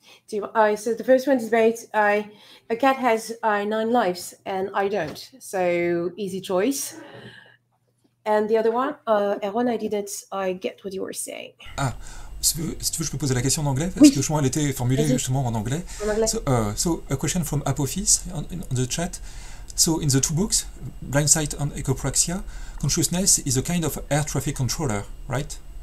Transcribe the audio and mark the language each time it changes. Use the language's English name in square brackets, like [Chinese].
[English] So the first one is about a cat has nine lives and I don't, so easy choice. And the other one, Aaron, I didn't get what you were saying. [French] Ah, si tu veux, je peux poser la question en anglais parce que justement elle était formulée justement en anglais. [English] So a question from Apophis on the chat. So in the two books, Blindsight and Echopraxia, consciousness is a kind of air traffic controller, right?